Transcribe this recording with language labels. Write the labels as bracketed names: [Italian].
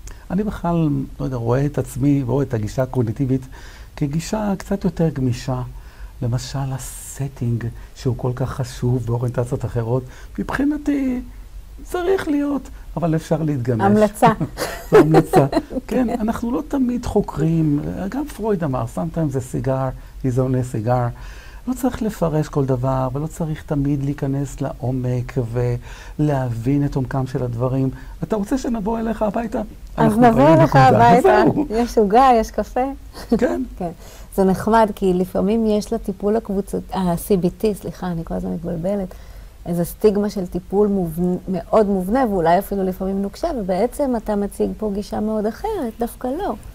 [Hebrew] אני בכלל, לא יודע, רואה את עצמי ורואה את הגישה הקוגניטיבית כגישה קצת יותר גמישה. למשל, הסטינג שהוא כל כך חשוב באוריינטציות אחרות, מבחינתי צריך להיות, אבל אפשר להתגמש. המלצה. זו המלצה. כן, אנחנו לא תמיד חוקרים. גם פרויד אמר, [English] sometimes a cigar is only a cigar. [Hebrew] לא צריך לפרש כל דבר, ולא צריך תמיד להיכנס לעומק ולהבין את עומקם של הדברים. אתה רוצה שנבוא אליך הביתה? אז נבוא אליך הביתה. יש עוגה, יש קפה. כן. כן. זה נחמד, כי לפעמים יש לטיפול הקבוצות, ה-CBT, סליחה, אני כל הזמן מתבלבלת, איזה סטיגמה של טיפול מאוד מובנה, ואולי אפילו לפעמים נוקשה, ובעצם אתה מציג פה גישה מאוד אחרת, דווקא לא.